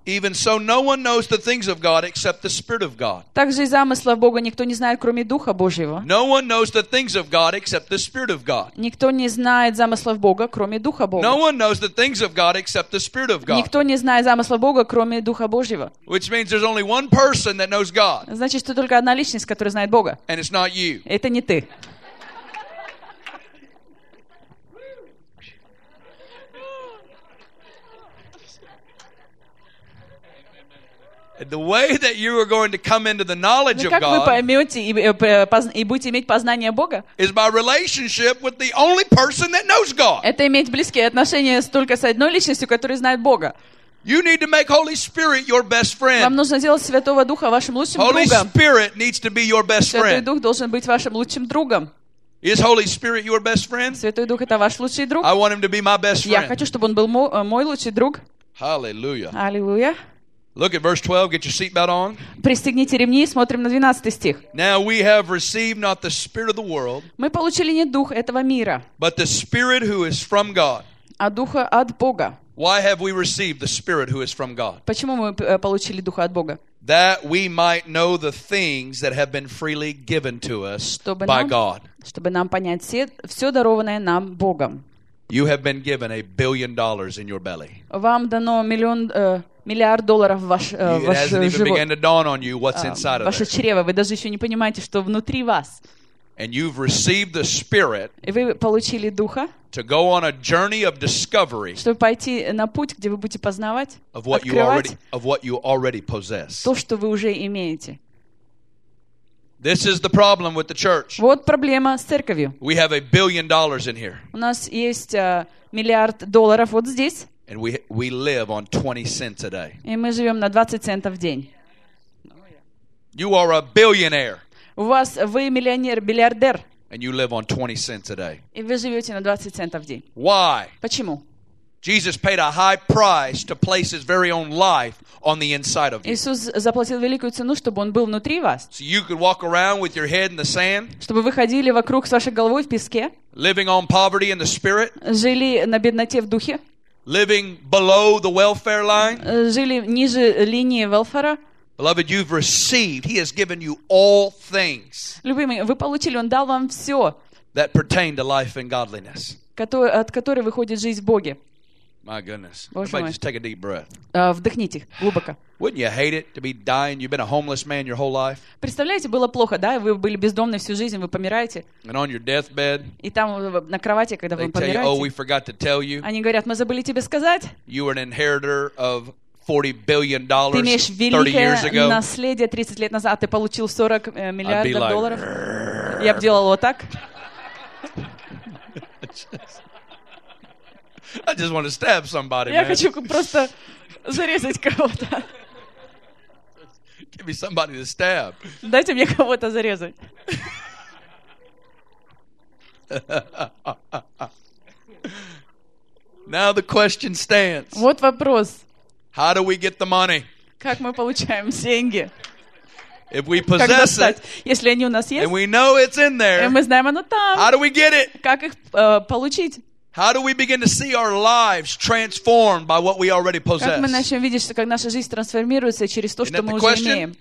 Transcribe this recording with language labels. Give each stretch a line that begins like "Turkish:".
English: Even so, no one knows the things of God except the Spirit of God.
Russian: Также и замыслов Бога никто не знает, кроме Духа Божьего.
English: No one knows the things of God except the Spirit of God.
Russian: Никто не знает замыслов Бога, кроме Духа Бога.
English: No one knows the things of God except the Spirit of God.
Russian: Никто не знает замыслов Бога, кроме Духа Божьего.
English: Which means there's only one person that knows God.
Russian: Значит, что только одна личность, которая знает Бога.
English: And it's not you.
Russian: Это не ты.
English: The way that you are going to come into the knowledge of God.
Russian: Как вы поймете и будете иметь познание Бога?
English: Is by relationship with the only person that knows God.
Russian: Это иметь близкие отношения только с одной личностью, которая знает Бога.
English: You need to make Holy Spirit your best friend.
Russian: Вам нужно сделать Святого Духа вашим лучшим другом.
English: Holy Spirit needs to be your best friend.
Russian: Святой Дух должен быть вашим лучшим другом.
English: Is Holy Spirit your best friend?
Russian: Святой Дух это ваш лучший друг.
English: I want him to be my best friend.
Russian: Я хочу, чтобы он был мой лучший друг.
English: Hallelujah.
Russian: Аллилуйя.
English: Look at verse 12, get your seatbelt on.
Russian: Пристегните ремни, смотрим на 12 стих.
English: Now we have received not the spirit of the world.
Russian: Мы получили не дух этого мира.
English: But the spirit who is from God.
Russian: А духа от Бога.
English: Why have we received the spirit who is from God?
Russian: Почему мы получили духа от Бога?
English: That we might know the things that have been freely given to us by God.
Russian: Чтобы нам понять все дарованное нам Богом.
English: You have been given $1 billion in your belly.
Russian: Вам дано миллиард долларов ваш живот. Ваше чрево. Вы даже еще не понимаете, что внутри вас.
English: And you've received the Spirit.
Russian: И вы получили духа.
English: To go on a journey of discovery.
Russian: Чтобы пойти на путь, где вы будете познавать, открывать.
English: Of what you already possess.
Russian: То, что вы уже имеете.
English: This is the problem with the church.
Russian: Вот проблема с церковью.
English: We have $1 billion in here.
Russian: У нас есть миллиард долларов вот здесь.
English: And we live on 20 cents a day.
Russian: И мы живем на 20 центов в день.
English: You are a billionaire.
Russian: У вас вы миллионер, миллиардер.
English: And you live on 20 cents a day.
Russian: И вы живете на 20 центов в день.
English: Why?
Russian: Почему?
English: Jesus paid a high price to place his very own life on the inside of you.
Russian: Иисус заплатил великую цену, чтобы он был внутри вас.
English: So you could walk around with your head in the sand.
Russian: Чтобы вы ходили вокруг с вашей головой в песке.
English: Living on poverty in the spirit.
Russian: Жили на бедноте в духе.
English: Living below the welfare line.
Russian: Жили ниже линии welfare.
English: Beloved, you've received. He has given you all things.
Russian: Любимый, вы получили, он дал вам все.
English: That pertain to life and godliness.
Russian: От которой выходит жизнь в Боге.
English: My goodness. Everybody just take a deep breath.
Russian: Вдохните глубоко.
English: Wouldn't you hate it to be dying? You've been a homeless man your whole life.
Russian: Представляете, было плохо, да? Вы были бездомны всю жизнь, вы помираете.
English: And on your deathbed.
Russian: И там на кровати, когда вы помираете.
English: They tell you, oh, we forgot to tell you.
Russian: Они говорят, мы забыли тебе сказать.
English: You were an inheritor of $40 billion 30 years ago.
Russian: Ты имеешь великое наследие 30 лет назад. Ты получил 40 миллиардов долларов. Я бы делал вот так.
English: I just want to stab somebody,
Russian: man. Я хочу просто зарезать кого-то.
English: Give me somebody to stab.
Russian: Дайте мне кого-то зарезать.
English: Now the question stands.
Russian: Вот вопрос.
English: How do we get the money?
Russian: Как мы получаем деньги?
English: If we possess it,
Russian: если они у нас есть,
English: and we know it's in there,
Russian: и мы знаем, оно там.
English: How do we get it?
Russian: Как их получить?
English: How do we begin to see our lives transformed by what we already possess?
Russian: Как мы начнем видеть, что как наша жизнь трансформируется через то, что мы уже имеем?